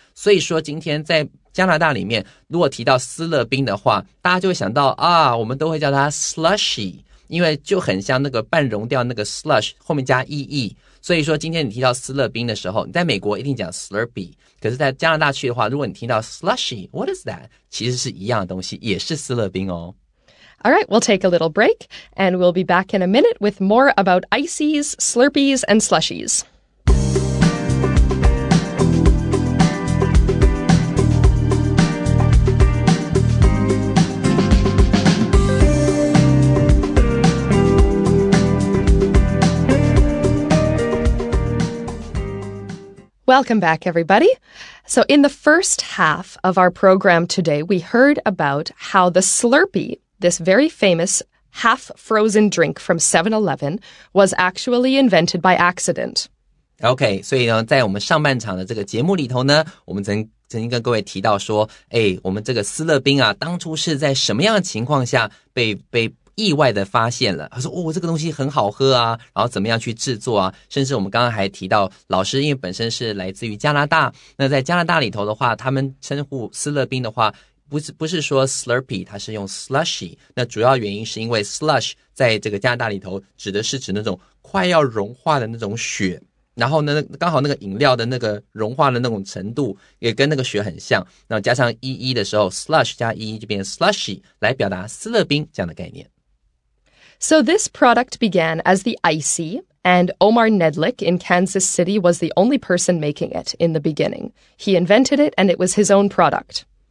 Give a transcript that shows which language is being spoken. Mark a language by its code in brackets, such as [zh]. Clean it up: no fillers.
[zh] 所以说，今天在加拿大里面，如果提到思乐冰的话，大家就会想到啊，我们都会叫它 slushy， 因为就很像那个半融掉那个 slush 后面加 ee。所以说今天你提到思乐冰的时候，你在美国一定讲 Slurpee, 可是在加拿大去的话，如果你听到 Slushy, [en] what is that? [zh] 其实是一样的东西，也是思乐冰哦。 [en] All right, we'll take a little break, and we'll be back in a minute with more about ices, Slurpees, and Slushies. Welcome back, everybody. So in the first half of our program today, we heard about how the Slurpee, this very famous half-frozen drink from 7-Eleven, was actually invented by accident. [zh] OK, 所以呢，在我们上半场的这个节目里头呢，我们曾经跟各位提到说，哎，我们这个思乐冰啊，当初是在什么样的情况下被意外的发现了，他说哦，这个东西很好喝啊，然后怎么样去制作啊，甚至我们刚刚还提到老师因为本身是来自于加拿大，那在加拿大里头的话，他们称呼思乐冰的话不是说 Slurpee, 它是用 Slushy, 那主要原因是因为 Slush 在这个加拿大里头指那种快要融化的那种雪，然后呢刚好那个饮料的那个融化的那种程度也跟那个雪很像，然后加上 EE 的时候 Slush 加 EE 就变成 Slushy 来表达思乐冰这样的概念。 [en] So this product began as the Icy, and Omar Nedlik in Kansas City was the only person making it in the beginning. He invented it, and it was his own product.